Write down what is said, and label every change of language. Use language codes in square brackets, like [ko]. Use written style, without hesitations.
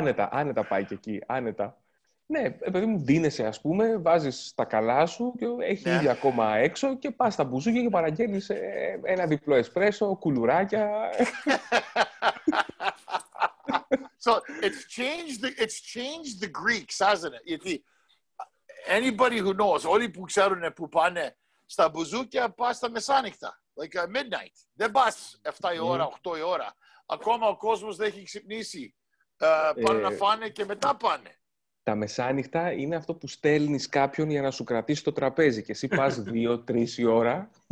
[el] Άνετα πάει και εκεί, άνετα. Ναι, παιδί μου, δίνεσαι, ας πούμε, βάζεις τα καλά σου και έχει ήδη ακόμα έξω και πας στα μπουζούκια και παραγγέλνεις ένα διπλό εσπρέσο, κουλουράκια. [en] So, it's changed the Greeks, hasn't it? [el] Γιατί [en] anybody who knows, [el] όλοι που ξέρουν που πάνε στα μπουζούκια, πας στα μεσάνυχτα, [en] like midnight. [el] Δεν πας 7 η ώρα, 8 η ώρα. Ακόμα ο κόσμος δεν έχει ξυπνήσει. Πάνε να φάνε και μετά πάνε. Τα μεσάνυχτα είναι αυτό που στέλνεις κάποιον για να σου κρατήσει το τραπέζι και εσύ πας 2-3 η ώρα.